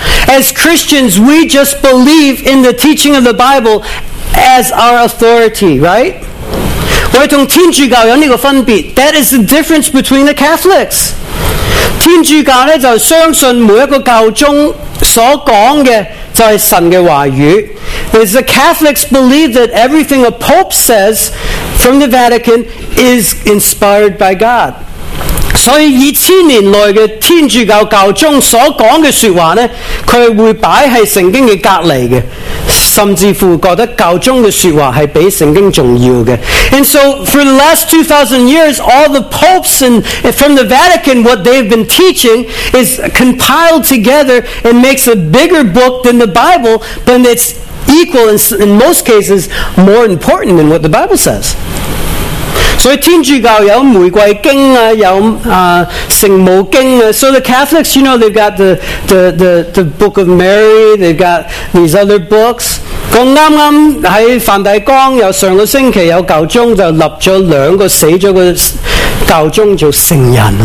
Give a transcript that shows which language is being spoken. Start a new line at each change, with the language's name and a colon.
English: As Christians, we just believe in the teaching of the Bible as our authority, right?
Chinese: 我们和天主教有这个分别，
English: That is the difference between the Catholics.
Chinese: 天主教呢，就相信每一个教宗所讲的就是神的话语。
English: As the Catholics believe that everything a Pope says from the Vatican is inspired by God.
Chinese: 所以以千年来的天主教教宗所讲的说话呢，他会摆在圣经的隔离的，甚至乎觉得教宗的说话是比圣经重要的。
English: And so for the last 2,000 years, all the popes and from the Vatican, what they've been teaching is compiled together and makes a bigger book than the Bible, but it's equal, in most cases, more important than what the Bible says.
Chinese: 所以天主教有玫瑰经啊，有圣母经啊。
English: So the Catholics, you know, they've got the Book of Mary, they've got these other books.
Chinese: 刚刚在梵蒂冈有上个星期有教宗就立了两个死了的教宗做圣人。